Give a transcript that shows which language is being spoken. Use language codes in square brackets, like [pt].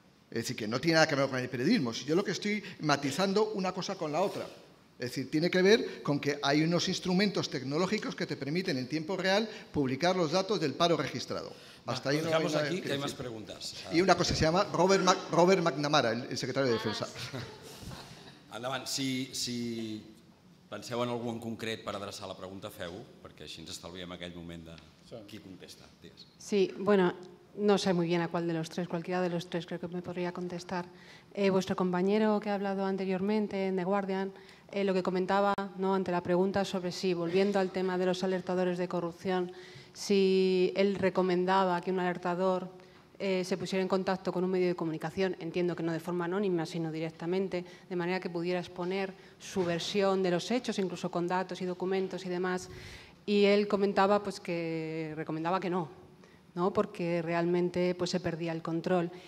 [es] Es decir, que no tiene nada que ver con el periodismo. Si yo lo que estoy matizando una cosa con la otra. Es decir, tiene que ver con que hay unos instrumentos tecnológicos que te permiten en tiempo real publicar los datos del paro registrado. Hasta ahí. Dejamos no aquí, que hay más preguntas. Y una cosa, se llama Robert McNamara, el secretario de Defensa. [ca] Endavant, si penseu en algú en concret per adreçar la pregunta, feu-ho, perquè així ens estalviem aquell moment de qui contesta. Digues. [es] Sí, bueno, no sé muy bien a cuál de los tres, cualquiera de los tres creo que me podría contestar. Vuestro compañero que ha hablado anteriormente en The Guardian, lo que comentaba, ¿no?, ante la pregunta sobre si, volviendo al tema de los alertadores de corrupción, si él recomendaba que un alertador se pusiera en contacto con un medio de comunicación, entiendo que no de forma anónima, sino directamente, de manera que pudiera exponer su versión de los hechos, incluso con datos y documentos y demás, y él comentaba pues que recomendaba que no, ¿no?, porque realmente pues se perdía el control.